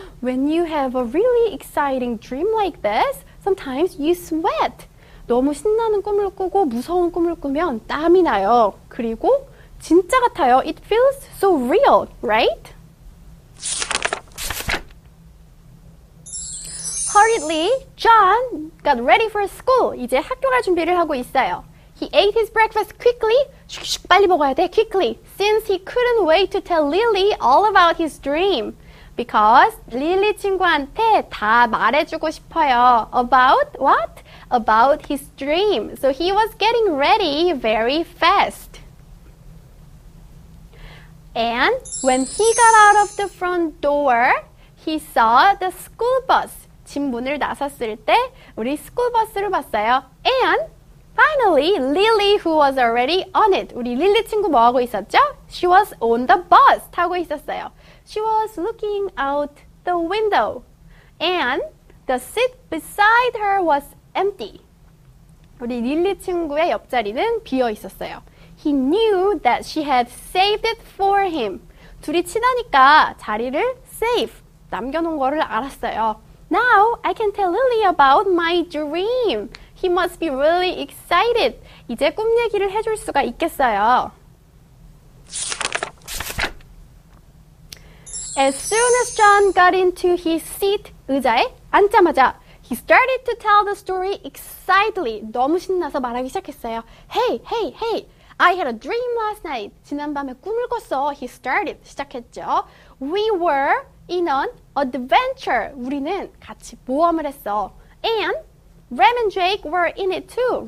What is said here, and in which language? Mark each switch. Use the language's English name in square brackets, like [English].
[English] When you have a really exciting dream like this, sometimes you sweat. [Korean] 너무 신나는 꿈을 꾸고 무서운 꿈을 꾸면 땀이 나요. 그리고 진짜 같아요. [English] It feels so real, right? Hurriedly, John got ready for school. [Korean] 이제 학교 갈 준비를 하고 있어요. [English] He ate his breakfast quickly. [Korean] 슉슉 빨리 먹어야 돼. [English] Quickly. Since he couldn't wait to tell Lily all about his dream. [Korean] Because Lily 친구한테 다 말해주고 싶어요. [English] About what? About his dream. So he was getting ready very fast. And when he got out of the front door, he saw the school bus. [Korean] 집 문을 나섰을 때 우리 스쿨버스를 봤어요. [English] And finally, Lily, who was already on it. [Korean] 우리 릴리 친구 뭐 하고 있었죠? [English] She was on the bus, [Korean] 타고 있었어요. [English] She was looking out the window. And the seat beside her was empty. [Korean] 우리 릴리 친구의 옆자리는 비어 있었어요. [English] He knew that she had saved it for him. [Korean] 둘이 친하니까 자리를 save, 남겨놓은 거를 알았어요. [English] Now I can tell Lily about my dream. He must be really excited. [Korean] 이제 꿈 얘기를 해줄 수가 있겠어요. [English] As soon as John got into his seat, [Korean] 의자에 앉자마자, [English] he started to tell the story excitedly. [Korean] 너무 신나서 말하기 시작했어요. [English] Hey, I had a dream last night. [Korean] 지난밤에 꿈을 꿨어. [English] He started, [Korean] 시작했죠. [English] We were in an adventure. [Korean] 우리는 같이 모험을 했어. [English] And Rem and Jake were in it too.